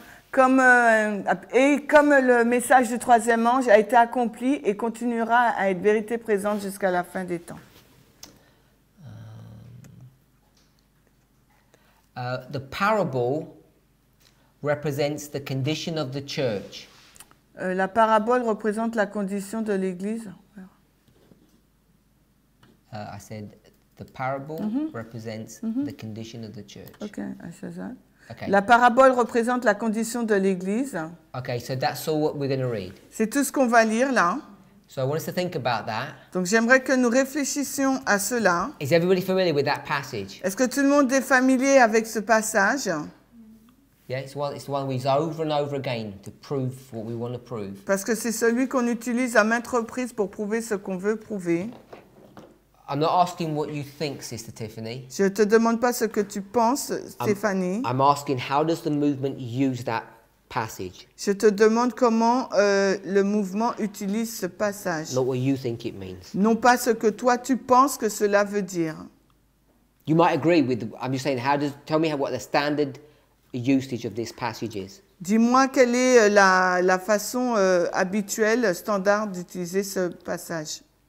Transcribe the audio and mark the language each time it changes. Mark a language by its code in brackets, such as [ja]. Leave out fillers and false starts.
[fr] Comme le message du troisième ange a été accompli et continuera à être vérité présente jusqu'à la fin des temps. [en] The parable represents the condition of the church. [fr] La parabole représente la condition de l'église. [en] I said the parable mm-hmm. represents mm-hmm. the condition of the church. Okay, I said that. Okay. [fr] La parabole représente la condition de l'église. [en] Okay, so that's all what we're going to read. [fr] C'est tout ce qu'on va lire là. [en] So I want us to think about that. [fr] Donc j'aimerais que nous réfléchissions à cela. [en] Is everybody familiar with that passage? [fr] Est-ce que tout le monde est familier avec ce passage? [en] Yeah, it's the one we use over and over again to prove what we want to prove. [fr] Parce que c'est celui qu'on utilise à maintes reprises pour prouver ce qu'on veut prouver. [en] I'm not asking what you think, Sister Tiffany. [fr] Je te demande pas ce que tu penses, Stéphanie. [en] I'm asking how does the movement use that passage. [fr] Je te demande comment le mouvement utilise ce passage. [en] Not what you think it means. [fr] Non pas ce que toi tu penses que cela veut dire. [en] You might agree with. I'm just saying. Tell me what the standard usage of this passage is. [fr] Dis-moi quelle est la façon habituelle, standard d'utiliser ce passage.